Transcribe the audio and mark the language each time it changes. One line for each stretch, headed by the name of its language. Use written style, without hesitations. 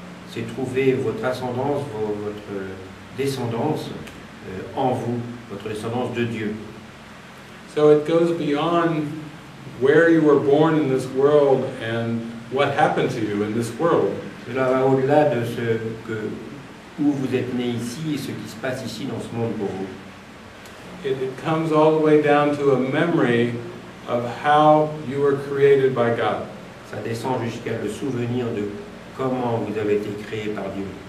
French: C'est trouver votre ascendance, votre descendance en vous, votre descendance de Dieu.
English: So it goes beyond where you were born in this world and what happened to you in this world.
French: Cela va au-delà de ce que où vous êtes né ici et ce qui se passe ici dans ce monde pour vous.
English: It comes all the way down to a memory of how you were created by God.
French: Ça descend jusqu'à le souvenir de comment vous avez été créé par Dieu.